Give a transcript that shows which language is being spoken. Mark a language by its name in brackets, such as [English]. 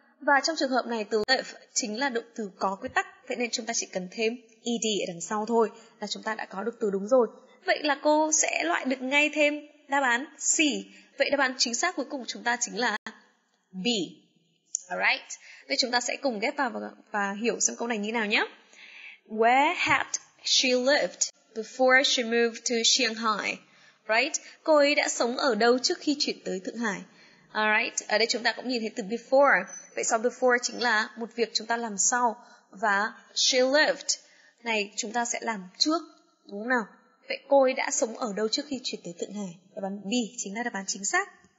[Vietnamese] Và trong trường hợp này từ live chính là động từ có quy tắc, vậy nên chúng ta chỉ cần thêm ed ở đằng sau thôi là chúng ta đã có được từ đúng rồi. Vậy là cô sẽ loại được ngay thêm đáp án C. Vậy đáp án chính xác cuối cùng của chúng ta chính là B. Alright, vậy chúng ta sẽ cùng ghép vào và hiểu xem câu này như nào nhé. [English] Where had she lived before she moved to Shanghai? [Vietnamese] Right, cô ấy đã sống ở đâu trước khi chuyển tới Thượng Hải? Alright, ở đây chúng ta cũng nhìn thấy từ before. Vậy sau before chính là một việc chúng ta làm sau. Và she lived này chúng ta sẽ làm trước, đúng không nào? Vậy cô ấy đã sống ở đâu trước khi chuyển tới Thượng Hải? Đáp án B chính là đáp án chính xác.